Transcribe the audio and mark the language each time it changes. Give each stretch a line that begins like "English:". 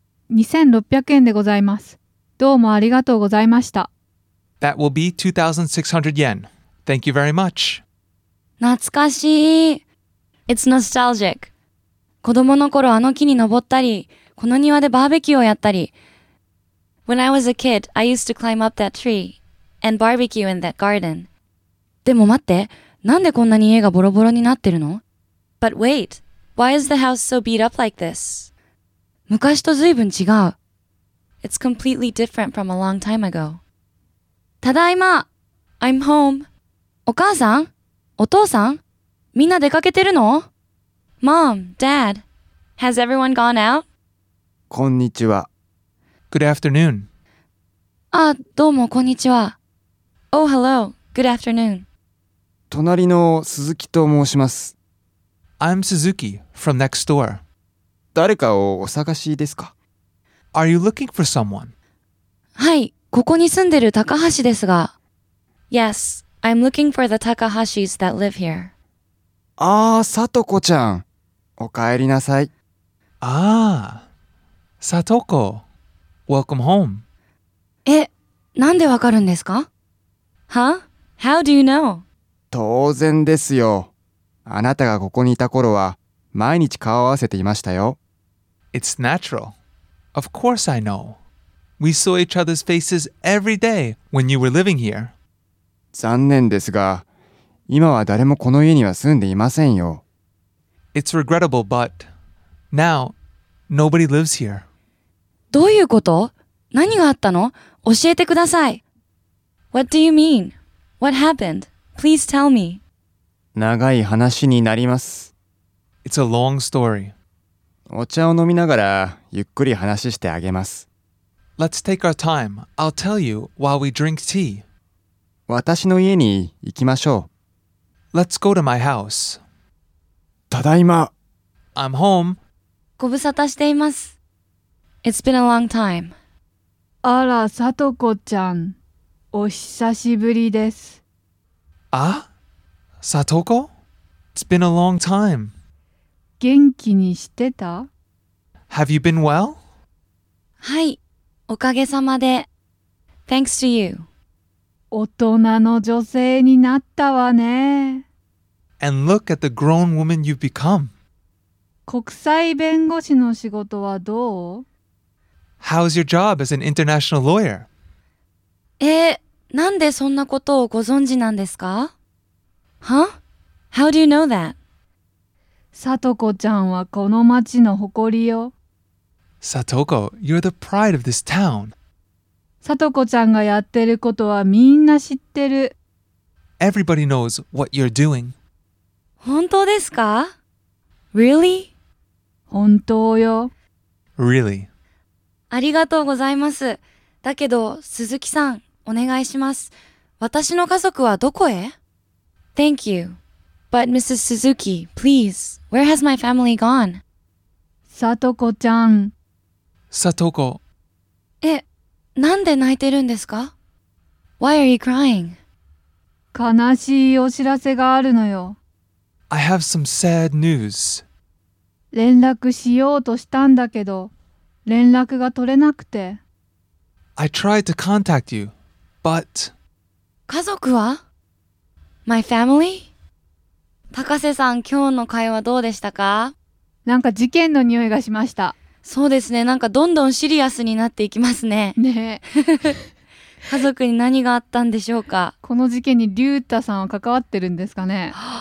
Japanese: 2600円でございます。どうもありがとうございました。
English: That will be 2600 yen. Thank you very much.
Japanese: 懐かしい。
English: It's nostalgic.
Japanese: 子供の頃あの木に登ったり、この庭でバーベキューをやったり。
English: When I was a kid, I used to climb up that tree and barbecue in that garden.
Japanese: でも待って、なんでこんなに家がボロボロになってるの？
English: But wait, why is the house so beat up like this?
Japanese: 昔と随分違う。
English: It's completely different from a long time ago.
Japanese: ただいま。
English: I'm home.
Japanese: お母さん、お父さん、みんな出かけてるの？
English: Mom, Dad, has everyone gone out?
Japanese: こんにちは。
English: Good afternoon.
Japanese: あ、どうもこんにちは。
English: Oh, hello. Good afternoon.
Japanese: 隣の鈴木と申します。
English: I'm Suzuki from next door.
Japanese: 誰かをお探しですか?
English: Are you looking for someone?
Japanese: はい、ここに住んでる高橋ですが。
English: Yes, I'm looking for the Takahashis that live here.
Japanese: ああ、さとこちゃん。お帰りなさい。ああ、
English: さとこ。Welcome home.
Japanese: え、なんでわかるんですか?
English: Huh? How do you know?
Japanese: 当然ですよ。あなたがここにいた頃は、毎日顔を合わせていましたよ。
English: It's natural. Of course I know. We saw each other's faces every day when you were living here.
Japanese: 残念ですが、今は誰もこの家には住んでいませんよ。
English: It's regrettable, but now nobody lives here.
Japanese: どういうこと?何があったの?教えてください。
English: What do you mean? What happened? Please tell me.
Japanese: 長い話になります。
English: It's a long story.
Japanese: お茶を飲みながらゆっくり話してあげます。
English: Let's take our time. I'll tell you while we drink tea.
Japanese: 私の家に行きましょう。
English: Let's go to my house.
Japanese: ただいま。
English: I'm home.
Japanese: ご無沙汰しています。
English: It's been a long time.
Japanese: あら、さとこちゃん。お久しぶりです。
English: あ?サトコ?It's been a long time.
Japanese: 元気にしてた?
English: Have you been well?
Japanese: はい、おかげさまで。
English: Thanks to you.
Japanese: 大人の女性になったわね。
English: And look at the grown woman you've become.
Japanese: 国際弁護士の仕事はどう?
English: How's your job as an international lawyer?
Japanese: なんでそんなことをご存知なんですか?
English: Huh? How do you know that?
Japanese: さとこちゃんはこの町の誇りよ。
English: さとこ、you're the pride of this town.
Japanese: さとこちゃんがやってることはみんな知ってる。
English: Everybody knows what you're doing.
Japanese: 本当ですか?
English: Really?
Japanese: 本当よ。
English: Really?
Japanese: ありがとうございます。だけど、鈴木さん、お願いします。私の家族はどこへ?
English: Thank you. But Mrs. Suzuki, please, where has my family gone? Satoko-chan. Satoko.
Japanese: なんで泣いてるんですか?
English: Why are you crying?
Japanese: 悲しいお知らせがあるのよ。
English: I have some sad news.
Japanese: 連絡しようとしたんだけど、連絡が取れなくて。
English: I tried to contact you, but...
Japanese: 家族は?
English: My family?
Japanese: 高瀬さん、今日の会話どうでしたか? なんか事件の匂いがしました。そうですね。なんかどんどんシリアスになっていきますね。ね家族に何があったんでしょうか? この事件にリュータさんは関わってるんですかね?